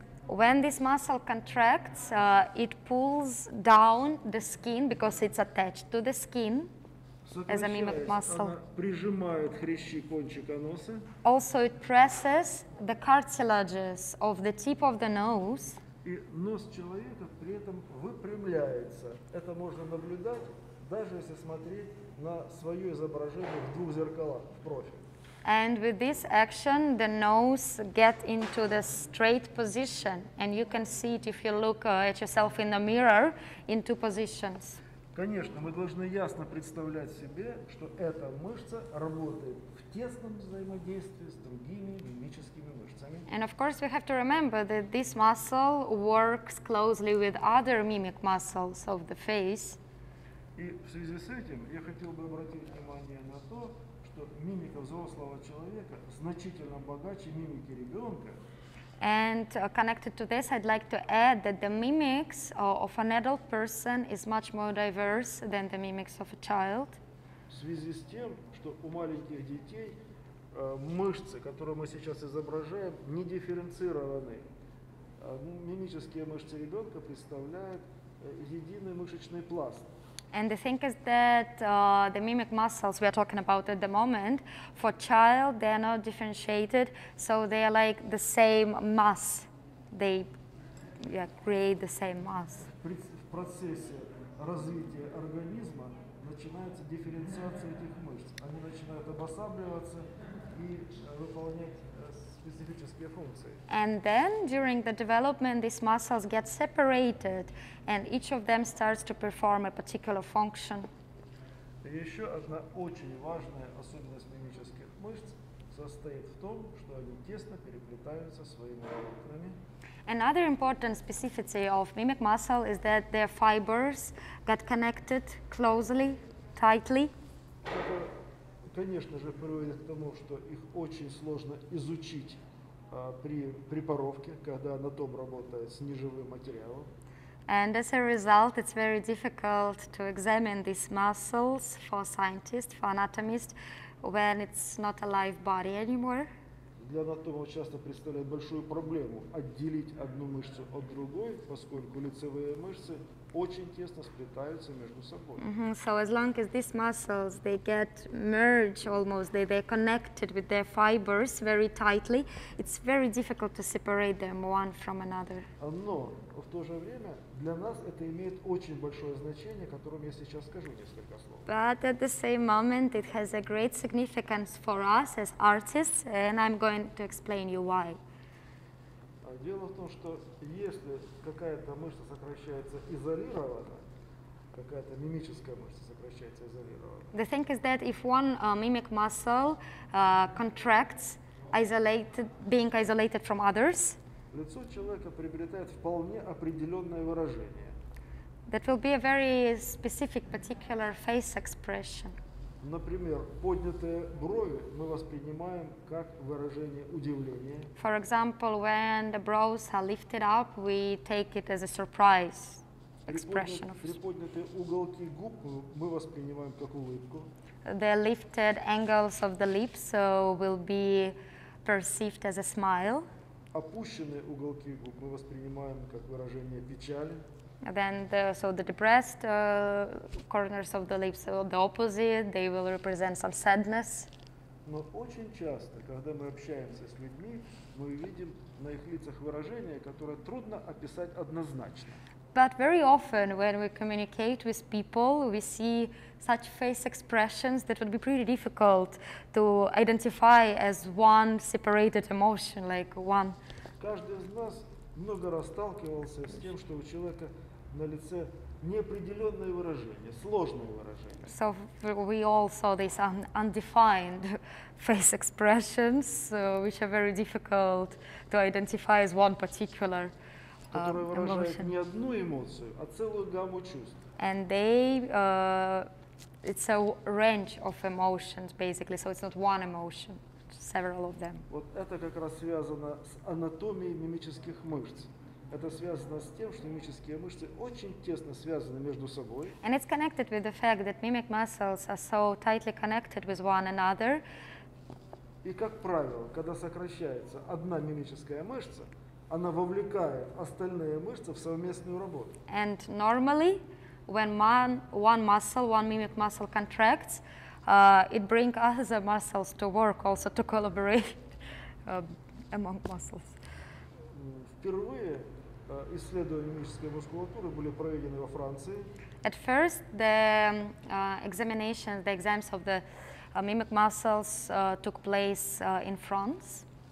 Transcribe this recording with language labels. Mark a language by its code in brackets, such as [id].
[en] When this muscle contracts, it pulls down the skin because it's attached to the skin as a mimic muscle. [ru] Она прижимает хрящи кончика носа. [en] Also, it presses the cartilages of the tip of the nose. [ru] И нос человека при этом выпрямляется. Это можно наблюдать, даже если смотреть на свое изображение в двух зеркалах в профиль. [en] And with this action, the nose gets into the straight position. And you can see it if you look at yourself in the mirror in two positions. [ru] Конечно, мы должны ясно представлять себе, что эта мышца работает в тесном взаимодействии с другими мимическими мышцами. [en] And of course, we have to remember that this muscle works closely with other mimic muscles of the face. [ru] И в связи с этим я хотел бы обратить внимание на то, что мимика взрослого человека значительно богаче мимики ребенка. [en] And connected to this, I'd like to add that the mimics of an adult person is much more diverse than the mimics of a child. [ru] В связи с тем, что у маленьких детей мышцы, которые мы сейчас изображаем, не дифференцированы. Мимические мышцы ребенка представляют единый мышечный пласт. [en] And the thing is that the mimic muscles we are talking about at the moment, for child, they are not differentiated, so they are like the same mass. They create the same mass. [ru] В процессе развития организма начинается дифференциация этих мышц. Они начинают обосабливаться и выполнять специфические функции. [en] And then, during the development, these muscles get separated, and each of them starts to perform a particular function. [ru] Еще одна очень важная особенность мимических мышц состоит в том, что они тесно переплетаются своими волокнами. [en] Another important specificity of mimic muscle is that their fibers get connected closely, tightly. [ru] Это, конечно же, приводит к тому, что их очень сложно изучить при препаровке, когда анатом работает с неживым материалом. [en] And as a result, it's very difficult to examine these muscles for scientists, for anatomists, when it's not a live body anymore. [ru] Для анатома часто представляет большую проблему отделить одну мышцу от другой, поскольку лицевые мышцы очень тесно сплетаются между собой. Mm-hmm. [en] So as long as these muscles, they get merged almost, they're connected with their fibers very tightly, it's very difficult to separate them one from another. [ru] Но в то же время для нас это имеет очень большое значение, о котором я сейчас скажу несколько слов. [en] But at the same moment, it has a great significance for us as artists, and I'm going to explain you why. [ru] Дело в том, что если какая-то мышца сокращается изолированно, какая-то мимическая мышца сокращается изолированно. [en] The thing is that if one mimic muscle contracts, isolated, being isolated from others, [ru] лицо человека приобретает вполне определенное выражение. [en] That will be a very specific, particular face expression. [ru] Например, поднятые брови мы воспринимаем как выражение удивления. [en] For example, when the brows are lifted up, we take it as a surprise expression. [ru] Приподнятые уголки губ мы воспринимаем как улыбку. [en] The lifted angles of the lips so will be perceived as a smile. [ru] Опущенные уголки губ мы воспринимаем как выражение печали. [en] Then the, so the depressed corners of the lips are the opposite, they will represent some sadness. [ru] Но очень часто, когда мы общаемся с людьми, мы видим на их лицах выражение, которое трудно описать однозначно. [en] But very often when we communicate with people, we see such face expressions that would be pretty difficult to identify as one separated emotion, like one. [ru] Каждый из нас много раз сталкивался с тем, что у человека на лице неопределённое выражение, сложное выражение. [en] So we all saw these undefined face expressions, which are very difficult to identify as one particular emotion. [ru] Которые выражают не одну эмоцию, а целую гамму чувств. [en] And they, it's a range of emotions, basically, so it's not one emotion, it's several of them. [ru] Вот это как раз связано с анатомией мимических мышц. Это связано с тем, что мимические мышцы очень тесно связаны между собой. [en] And it's connected with the fact that mimic muscles are so tightly connected with one another. [ru] И как правило, когда сокращается одна мимическая мышца, она вовлекает остальные мышцы в совместную работу. [en] And normally, when one mimic muscle contracts, it brings other muscles to work also to collaborate among muscles. [ru] Впервые исследования мимической мускулатуры были проведены во Франции. [en] At first, the examination, the exams of the mimic muscles took place in France.